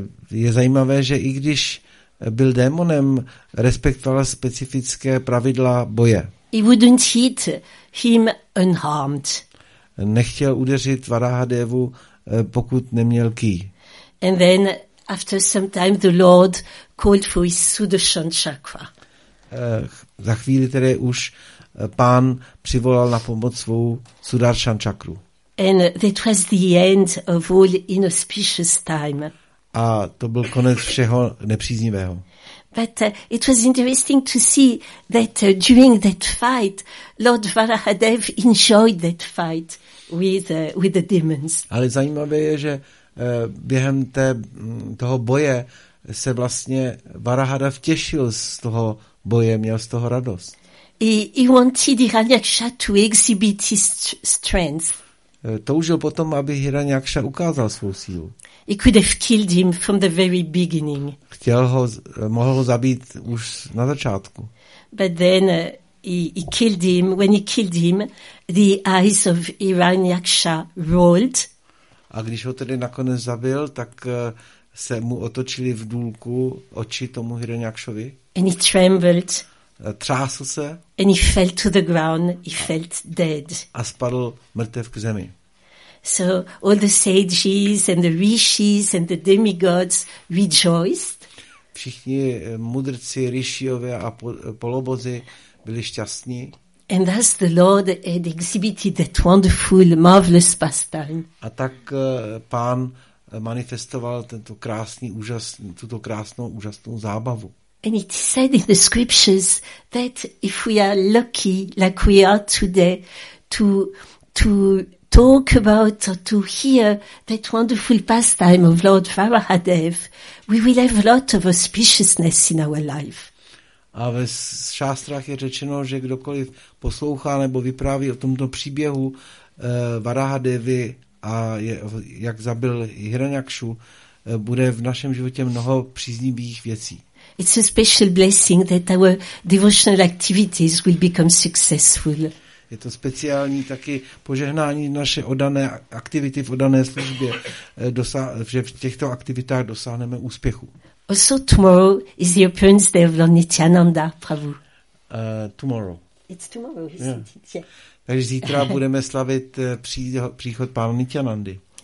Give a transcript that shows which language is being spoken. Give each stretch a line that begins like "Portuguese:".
Czech: Je zajímavé, že i když byl démonem, respektoval specifické pravidla boje.
English: He wouldn't hit him unharmed.
Czech: Nechtěl udeřit Varahadevu, pokud neměl kij.
English: And then after some time the Lord called for his Sudarshan Chakra.
Czech: Za chvíli tedy už pán přivolal na pomoc svou Sudarshan Chakru.
English: And that was the end of all inauspicious time.
Czech: A to byl konec všeho nepříznivého.
English: But it was interesting to see that during that fight Lord Varahadev enjoyed that fight with the demons.
Czech: Ale zajímavé je, že během toho boje se vlastně Varahada vtěšil z toho boje, měl z toho radost.
English: He wanted Hiranyaksha to exhibit his strength.
Czech: Toužil potom, aby Hiranyaksha ukázal svou sílu.
English: He could have killed him from the very beginning.
Czech: Chtěl ho, mohl ho zabít už na začátku.
English: But then he killed him. When he killed him, the eyes of Hiranyaksha rolled.
Czech: A když ho tedy nakonec zabil, tak se mu otočili v důlku oči tomu Hiranyakshovi.
English: And he trembled.
Czech: Třásl se.
English: And he fell to the ground. He felt dead.
Czech: A spadl mrtev k zemi.
English: So all the sages and the rishis and the demigods rejoiced.
Czech: Všichni mudrci, rishiové a polobozy byli šťastní.
English: And thus the Lord had exhibited that wonderful, marvelous pastime.
Czech: A tak pán manifestoval tento krásný, tuto krásnou, úžasnou zábavu.
English: And it said in the scriptures that if we are lucky, like we are today, to talk about or to hear that wonderful pastime of Lord Varahadev, we will have a lot of auspiciousness in our life.
Czech: A ve šástrách je řečeno, že kdokoliv poslouchá nebo vypráví o tomto příběhu Varahadevi a jak zabil Hiranyakshu, bude v našem životě mnoho příznivých věcí.
English: It's a special blessing that our devotional activities will become successful.
Czech: Je to speciální taky požehnání naše oddané aktivity v oddané službě, že v těchto aktivitách dosáhneme úspěchu.
English: Also tomorrow is the appearance day of Lord Nityananda Prabhu. Tomorrow. It's tomorrow, isn't it? Yeah.
Czech: Takže zítra budeme slavit příchod pána Nityanandy.